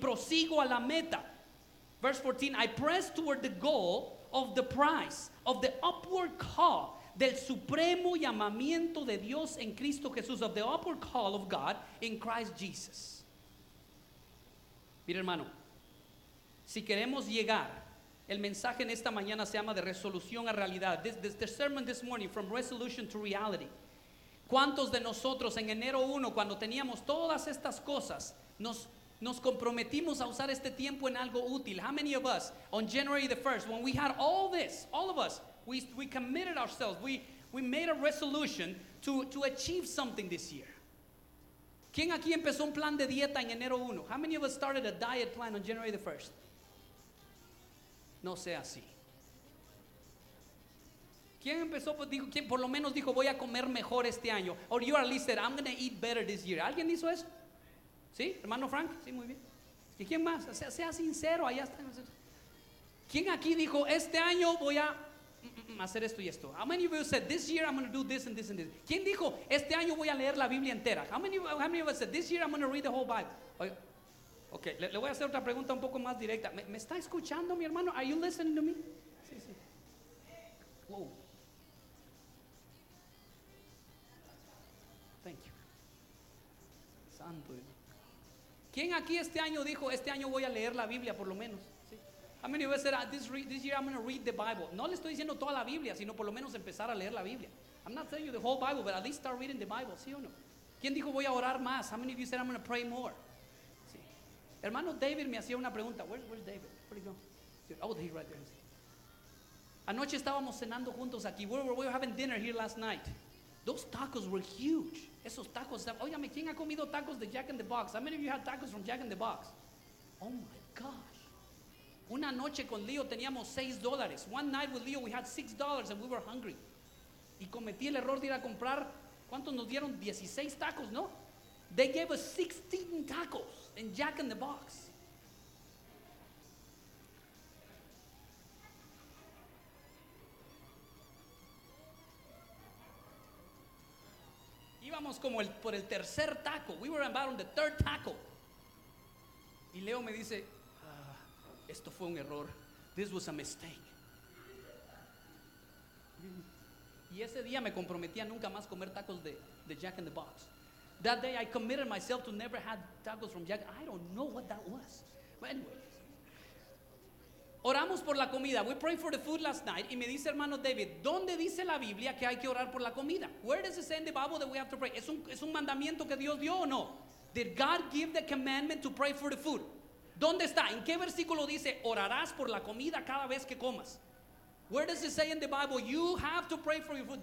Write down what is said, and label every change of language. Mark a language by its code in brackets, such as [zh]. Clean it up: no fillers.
[es] Prosigo a la meta. [en] Verse 14. I press toward the goal of the prize, of the upward call, [es] del supremo llamamiento de Dios en Cristo Jesús, [en] of the upward call of God in Christ Jesus. [es] Mira, hermano, si queremos llegar, el mensaje en esta mañana se llama de resolución a realidad. [en] The sermon this morning, from resolution to reality. [es] ¿Cuántos de nosotros en enero 1, cuando teníamos todas estas cosas, nos comprometimos a usar este tiempo en algo útil? [en] How many of us, on January the 1st, when we had all this, all of us, we committed ourselves, we made a resolution to achieve something this year? [es] ¿Quién aquí empezó un plan de dieta en enero 1? [en] How many of us started a diet plan on January the 1st? [es] No sea así. ¿Quién empezó, quién por lo menos dijo, voy a comer mejor este año? [en] Or you at least said, I'm going to eat better this year. [es] ¿Alguien hizo eso? ¿Sí? ¿Hermano Frank? Sí, muy bien. ¿Y quién más? Sea sincero, allá está. ¿Quién aquí dijo, este año voy a hacer esto y esto? [en] How many of you said, this year I'm going to do this and this and this? [es] ¿Quién dijo, este año voy a leer la Biblia entera? [en] How many of us said, this year I'm going to read the whole Bible? [es] Okay, le voy a hacer otra pregunta un poco más directa. ¿Me está escuchando, mi hermano? [en] Are you listening to me? [es] Sí, sí. Wow. [en] Thank you. Santo. [es] ¿Quién aquí este año dijo, este año voy a leer la Biblia por lo menos? [en] How many of us said, this year I'm going to read the Bible? [es] No le estoy diciendo toda la Biblia, sino por lo menos empezar a leer la Biblia. [en] I'm not telling you the whole Bible, but at least start reading the Bible, [es] ¿sí o no? ¿Quién dijo voy a orar más? [en] How many of you said I'm going to pray more? [es] Sí. Hermano David me hacía una pregunta. [en] Where's David? Where'd he go? Oh, he's right there. [es] Anoche estábamos cenando juntos aquí. [en] We were having dinner here last night. Those tacos were huge. [es] Esos tacos. Óyame, ¿quién ha comido tacos de Jack in the Box? [en] How many of you had tacos from Jack in the Box? Oh my God. [es] Una noche con Leo teníamos $6. [en] One night with Leo we had $6 and we were hungry. [es] Y cometí el error de ir a comprar, ¿cuántos nos dieron? 16 tacos, ¿no? [en] They gave us 16 tacos in Jack in the Box. [es] Íbamos como por el tercer taco. [en] We were about on the third taco. [es] Y Leo me dice, esto fue un error. [en] This was a mistake. [es] Y ese día me comprometí a nunca más comer tacos de Jack in the Box. [en] That day I committed myself to never have tacos from Jack. I don't know what that was. But anyway. [es] Oramos por la comida. [en] We prayed for the food last night. [es] Y me dice hermano David, ¿dónde dice la Biblia que hay que orar por la comida? [en] Where does it say in the Bible that we have to pray? [es] ¿Es un mandamiento que Dios dio o no? [en] Did God give the commandment to pray for the food? [es] ¿Dónde está? ¿En qué versículo dice orarás por la comida cada vez que comas? [en] Where does it say in the Bible you have to pray for your food?